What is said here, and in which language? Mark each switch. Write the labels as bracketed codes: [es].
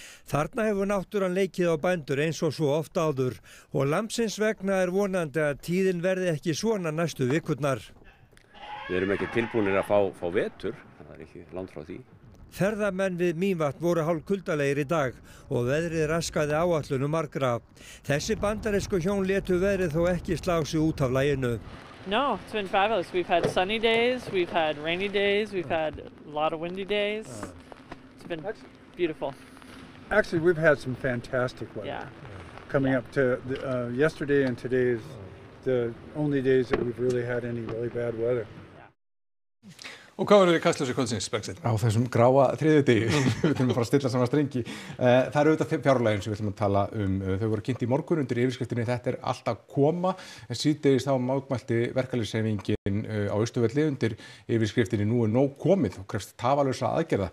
[is] Þarna hefur náttúran leikið á bændur eins og svo oft áður og lambsins vegna er vonandi að tíðin verði ekki svona næstu vikurnar. Við erum ekki tilbúnir að fá vetur, það er ekki langt frá því. Ferðamenn við Mývatn voru hálf kuldalegir í dag og veðrið raskaði áætlunum margra. Þessi bandarísku hjón létu veðrið þó ekki slá sig út af laginu. [en] No, it's been fabulous. We've had sunny days, we've had rainy days, we've had a lot of windy days. It's been beautiful. Actually, we've had some fantastic weather. Yeah. Coming up to yesterday and today is the only days that we've really had any really bad weather. [is] Og hvað verður í Kastljósi kvöldsins, Bergsteinn? Á þessum gráa þriðjudegi, við viljum að fara að stilla saman strengi. Það eru auðvitað fjárlögin sem við viljum að tala um. Þau voru kynnt í morgun undir yfirskriftinni, þetta er allt að koma. En síðdegis þá mótmælti verkalýðshreyfingin á Austurvelli undir yfirskriftinni nú er nóg komið og krefst tafarlausra aðgerða.